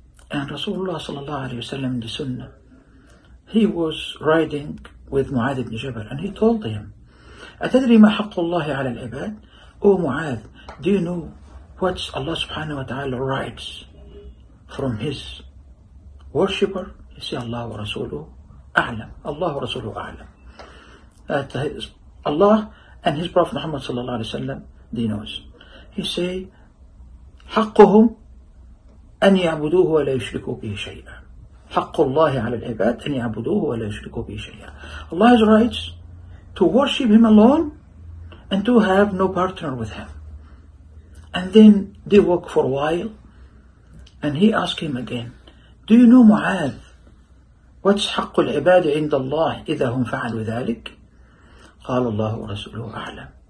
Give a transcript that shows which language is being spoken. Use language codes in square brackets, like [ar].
[en] And Rasulullah sallallahu alayhi wa sallam in the Sunnah, he was riding with Mu'adh ibn Jabal and he told him, [ar] أتدري ما حق الله على العباد؟ [en] Oh Mu'adh, do you know what's Allah subhanahu wa ta'ala rights from his worshipper? [ar] You see, Allah wa Rasuluh a'lam. Allah wa Rasuluh a'lam. [en] Allah and his Prophet Muhammad sallallahu alayhi wa sallam, they knows. He say, [ar] حقهم أن يعبدوه ولا يشركوا به شيئا. حق الله على العباد أن يعبدوه ولا يشركوا به شيئا. [en] Allah's rights to worship him alone and to have no partner with him. And then they walk for a while and he asked him again, do you know Mu'adh, what's [ar] حق العباد عند الله إذا هم فعلوا ذلك؟ قال الله ورسوله أعلم.